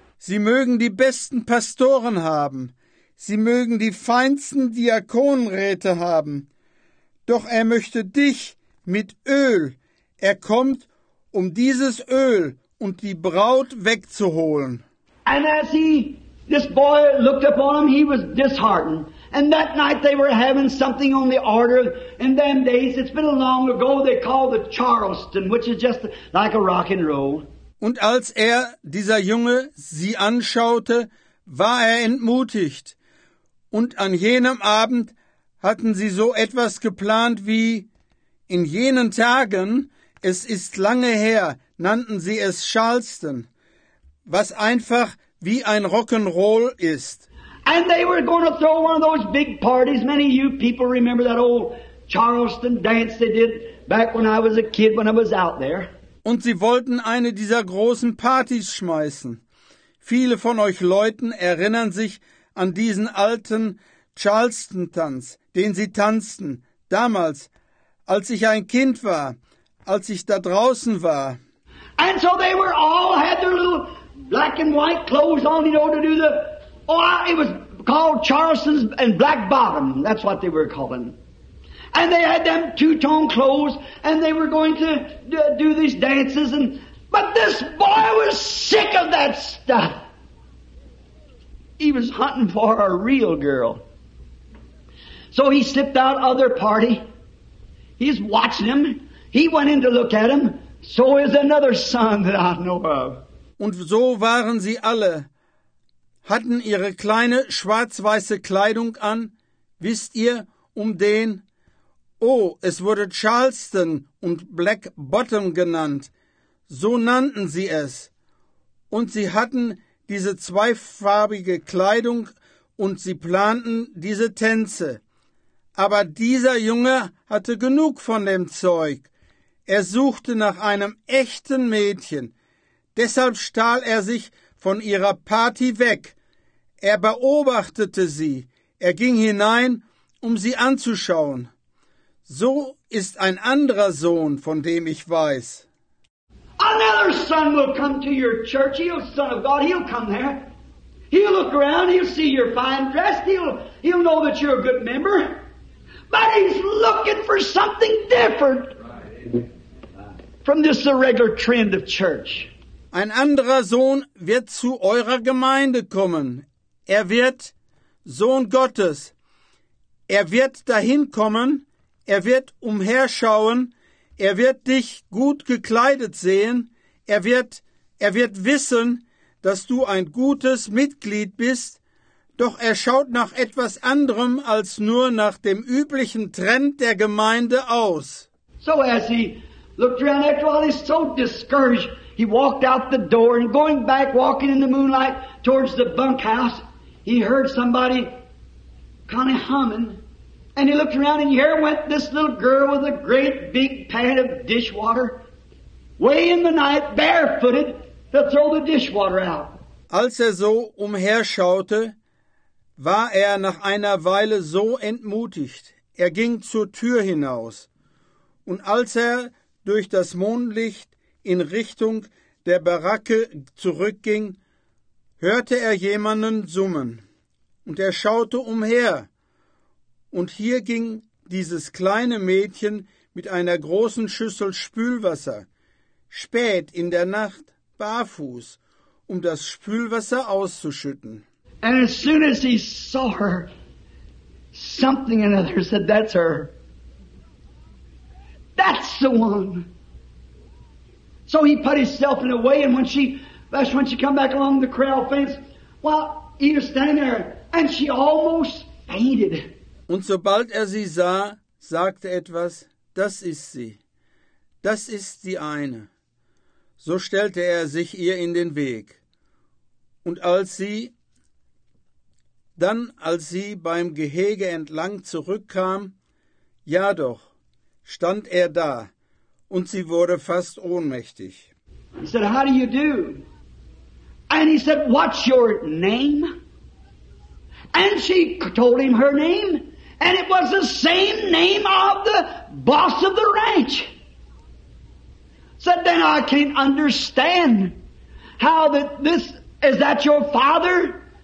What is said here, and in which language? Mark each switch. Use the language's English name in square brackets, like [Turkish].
[German] Sie mögen die besten Pastoren haben, sie mögen die feinsten Diakonräte haben, doch er möchte dich mit Öl. Er kommt, um dieses Öl und die Braut wegzuholen. [English] And as this boy looked upon him, he was disheartened. And that night they were having something on the order. In them days, it's been long ago, they called the Charleston, which is just like a rock and roll. [German] Und als er, dieser Junge, sie anschaute, war er entmutigt. Und an jenem Abend hatten sie so etwas geplant wie, in jenen Tagen, es ist lange her, nannten sie es Charleston, was einfach wie ein Rock'n'Roll ist. [English] And they were going to throw one of those big parties. Many of you people remember that old Charleston dance they did back when I was a kid, when I was out there. [German] Und sie wollten eine dieser großen Partys schmeißen. Viele von euch Leuten erinnern sich an diesen alten Charleston-Tanz, den sie tanzten, damals, als ich ein Kind war, als ich da draußen war. [English] And so they were all had their little black and white clothes on, you know, to do the, oh, it was called Charleston's and Black Bottom, that's what they were calling. And they had them two-tone clothes, and they were going to do these dances. But this boy was sick of that stuff. He was hunting for a real girl. So he slipped out of their party. He's watching him. He went in to look at him. So is another son that I know of. [German] Und so waren sie alle, hatten ihre kleine schwarz-weiße Kleidung an, wisst ihr, um den... Oh, es wurde Charleston und Black Bottom genannt. So nannten sie es. Und sie hatten diese zweifarbige Kleidung und sie planten diese Tänze. Aber dieser Junge hatte genug von dem Zeug. Er suchte nach einem echten Mädchen. Deshalb stahl er sich von ihrer Party weg. Er beobachtete sie. Er ging hinein, um sie anzuschauen. So ist ein anderer Sohn, von dem ich weiß. [English] Another son will come to your church. He'll, son of God, he'll come there. He'll look around, he'll see your fine dress. He'll know that you're a good member. But he's looking for something different from this the regular trend of church. [German] Ein anderer Sohn wird zu eurer Gemeinde kommen. Er wird Sohn Gottes. Er wird dahin kommen. Er wird umherschauen, er wird dich gut gekleidet sehen, er wird wissen, dass du ein gutes Mitglied bist, doch er schaut nach etwas anderem als nur nach dem üblichen Trend der Gemeinde aus. [English] So as he looked around after all, he's so discouraged, he walked out the door and going back, walking in the moonlight towards the bunkhouse, he heard somebody kind of humming. And he looked around, and here went this little girl with a great big pan of dishwater, way in the night, barefooted, to throw the dishwater out. [German] Als er so umherschaute, war er nach einer Weile so entmutigt. Er ging zur Tür hinaus. Und als er durch das Mondlicht in Richtung der Baracke zurückging, hörte er jemanden summen. Und er schaute umher. Und hier ging dieses kleine Mädchen mit einer großen Schüssel Spülwasser, spät in der Nacht, barfuß, um das Spülwasser auszuschütten. [English] And as soon as he saw her, something in her said, that's her. That's the one. So he put himself in a way, and when she That's when she come back along the corral fence. Well, Edith standing there, and she almost fainted. [German] Und sobald sie sah, sagte etwas, das ist sie. Das ist die eine. So stellte sich ihr in den Weg. Und als sie beim Gehege entlang zurückkam, ja doch, stand da, und sie wurde fast ohnmächtig. [English] He said, how do you do? And he said, what's your name? And she told him her name, and it was the same name of the boss of the ranch. Said, then I can't understand how that this, is that your father?